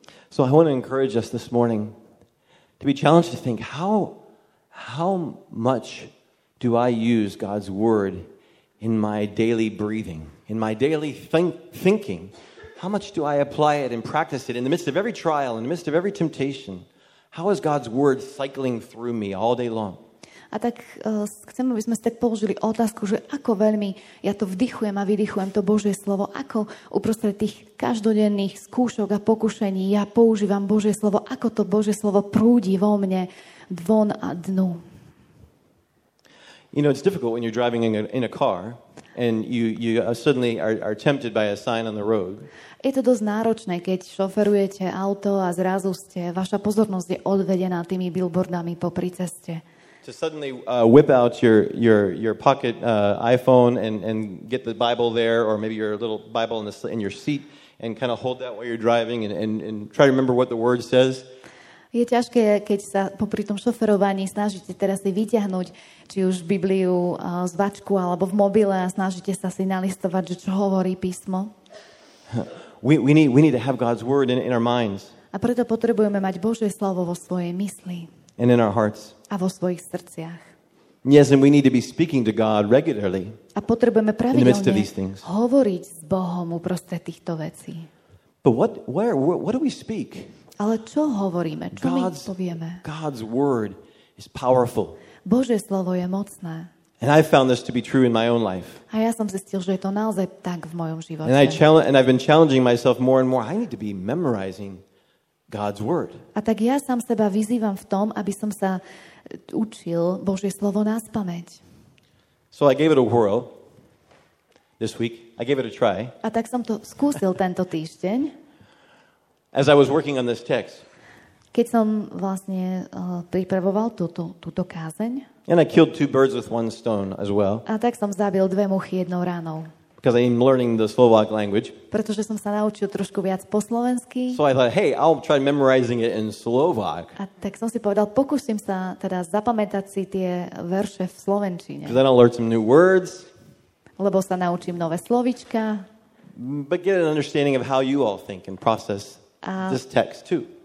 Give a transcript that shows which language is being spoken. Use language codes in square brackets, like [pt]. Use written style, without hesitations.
[en] So I want to encourage us this morning to be challenged to think how much do I use God's word in my daily breathing, in my daily thinking? How much do I apply it and practice it in the midst of every trial, in the midst of every temptation? How is God's word cycling through me all day long? [sk] A tak chcem, aby sme ste položili otázku, že ako veľmi ja to vdychujem a vydychujem to Božie slovo, ako uprostred tých každodenných skúšok a pokušení ja používam Božie slovo, ako to Božie slovo prúdi vo mne von a dnu. [en] You know, it's difficult when you're driving in a car and you suddenly are tempted by a sign on the road. [sk] Je to dosť náročné, keď šoferujete auto a zrazu ste, vaša pozornosť je odvedená tými billboardami popri ceste. [en] To suddenly whip out your pocket iPhone and get the Bible there, or maybe your little Bible in your seat, and kind of hold that while you're driving and try to remember what the word says. [sk] Je ťažké, keď sa popri tom šoferovaní snažíte teraz si vyťahnuť či už Bibliu z vačku alebo v mobile a snažíte sa si nalistovať, čo hovorí písmo. [en] We need to have God's word in our minds. [sk] A preto potrebujeme mať Božie slovo vo svojej mysli. [en] And in our hearts. [sk] A vo svojich srdciach. [en] Yes, and we need to be speaking to God regularly. [sk] A potrebujeme pravidelne hovoriť s Bohom uprostred týchto vecí. [en] But what do we speak? [sk] Ale čo hovoríme? Čo my povieme? [en] God's word is powerful. [sk] Božie slovo je mocné. [en] And I found this to be true in my own life. [sk] A ja som zistil, že je to naozaj tak v mojom živote. [en] And I've been challenging myself more and more. I need to be memorizing God's word. [sk] A tak ja sám seba vyzývam v tom, aby som sa učil Božie slovo naspamäť. [en] So I gave it a whirl this week. I gave it a try. [sk] A tak som to skúsil tento týždeň. [en] As I was working on this text. [sk] Keď som vlastne pripravoval túto kázeň. [en] And I killed two birds with one stone as well. [sk] A tak som zabil dve muchy jednou ranou. [en] Because I'm learning the Slovak language. [sk] Pretože som sa naučil trošku viac po slovensky. [en] So I thought, hey, I'll try memorizing it in Slovak. [sk] A tak som si povedal, pokúsim sa teda zapamätať si tie verše v slovenčine. [en] Because then I'll learn some new words. [sk] Lebo sa naučím nové slovička. [en] But get an understanding of how you all think and process this text too.